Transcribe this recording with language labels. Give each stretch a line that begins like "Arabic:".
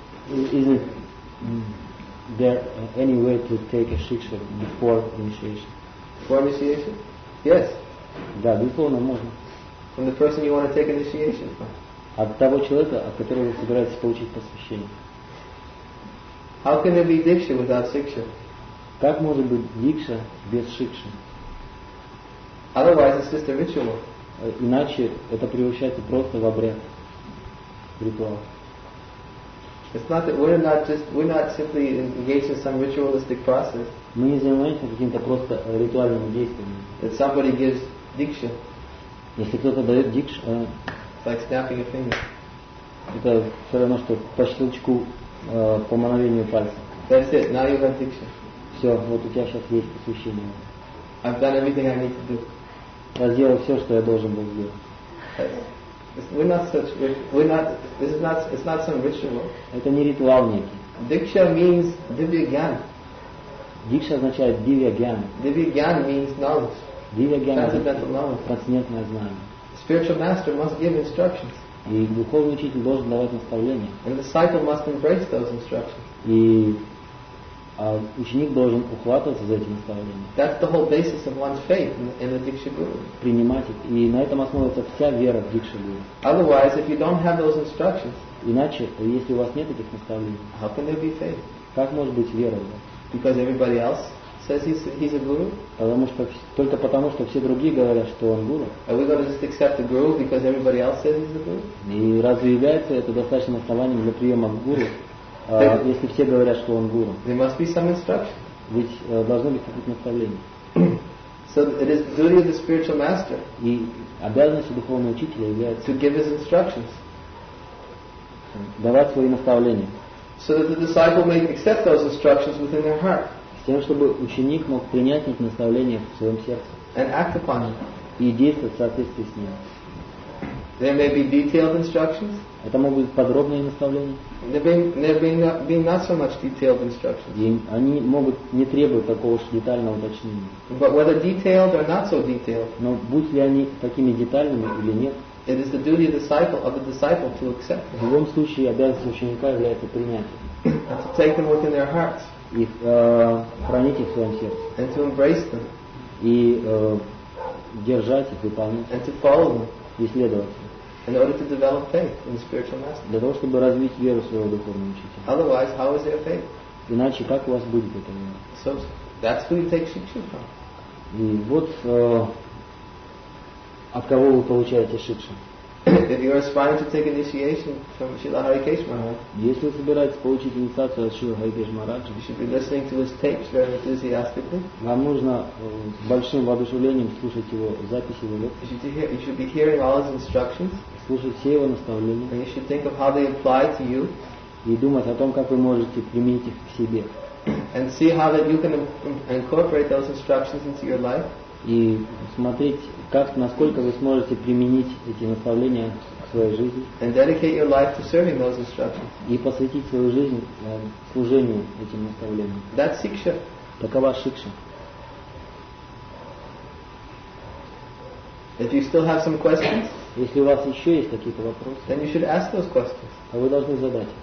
English: Is there any way to take a shiksha before initiation? Before initiation? Yes.
Russian: Да, безусловно, можно.
English: From the person you want to take initiation from?
Russian: От того человека, от которого вы собираетесь получить посвящение.
English: How can there be diksha without shiksha?
Russian: Как может быть дикша без шикши?
English: Otherwise, it's just a ritual.
Russian: Иначе это превращается просто в обряд, ритуал.
English: It's not that we're not simply engaged in some ritualistic process.
Russian: Мы не занимаемся каким-то просто ритуальным действием.
English: That somebody gives diksha.
Russian: Если кто-то дает дикшу,
English: it's like snapping a finger.
Russian: Это все равно, что по щелчку, по мановению пальца.
English: That's it. Now you have diksha.
Russian: Все, вот у тебя сейчас есть посвящение.
English: I've done everything I need to do.
Russian: Я сделал все, что я должен был сделать.
English: It's not some ritual.
Russian: Это не ритуал некий.
English: Diksha means divya gyan.
Russian: Diksha означает divya gyan.
English: Divya gyan means knowledge. Divya gyan transcendental knowledge.
Russian: Трансцендентное знание.
English: Spiritual master must give instructions.
Russian: И духовный учитель должен давать наставления.
English: And the disciple must embrace those instructions.
Russian: И ученик должен ухватываться за эти наставления.
English: That's the whole basis of one's faith in the Diksha Guru.
Russian: Принимать их. И на этом основывается вся вера в Диксха Гуру.
English: Otherwise, if you don't have those instructions,
Russian: иначе, если у вас нет этих наставлений,
English: how can there be faith?
Russian: Как может быть вера?
English: Because everybody else says he's a guru?
Russian: Потому что, только потому, что все другие говорят, что он гуру.
English: Are we going to just accept a guru because everybody else says he's a guru?
Russian: И разве является это достаточным основанием для приема гуру? Если все говорят, что он гуру.
English: There must be some instruction.
Russian: Ведь должно быть какое-то наставление.
English: So it is the duty of the spiritual master.
Russian: И обязанностью духовного учителя является
English: to give his instructions.
Russian: Давать свои наставления.
English: So that the disciple may accept those instructions within their heart.
Russian: тем, чтобы ученик мог принять эти наставления в своем сердце.
English: And act upon it.
Russian: И действовать в соответствии с ним.
English: There may be detailed instructions.
Russian: Это могут быть подробные наставления.
English: There may not be so much detailed instructions.
Russian: И они могут не требовать такого уж детального уточнения.
English: But whether detailed or not so detailed.
Russian: Но будь ли они такими детальными или нет.
English: It is the duty of the disciple to accept.
Russian: В любом случае обязанность ученика является принять.
English: To take them within their hearts.
Russian: И хранить их в своем сердце.
English: And to embrace them.
Russian: И держать их, выполнять.
English: And to follow them.
Russian: И следовать.
English: In order to develop faith in the spiritual master.
Russian: Для того, чтобы развить веру своего духовного учителя.
English: Otherwise, how is there faith?
Russian: Иначе как у вас будет эта вера?
English: So that's who you take shikshu from.
Russian: И вот от кого вы получаете шикшу?
English: If you are aspiring to take initiation from Srila Harikesh Maharaj,
Russian: если вы собираетесь получить инициацию от Шрила Харикеша Махараджа,
English: you should be listening to his tapes very enthusiastically.
Russian: Вам нужно с большим воодушевлением слушать его записи, его лекции.
English: You should be hearing all his instructions.
Russian: Слушать все его наставления.
English: And you should think of how they apply to you.
Russian: И думать о том, как вы можете применить их к себе.
English: And see how that you can incorporate those instructions into your life.
Russian: И смотреть, как, насколько вы сможете применить эти наставления к своей жизни.
English: And dedicate your life to serving those instructions.
Russian: И посвятить свою жизнь служению этим наставлениям.
English: That's siksha.
Russian: Такова шикша.
English: If you still have some questions,
Russian: если у вас еще есть какие-то вопросы,
English: then you should ask those questions.
Russian: А вы должны задать.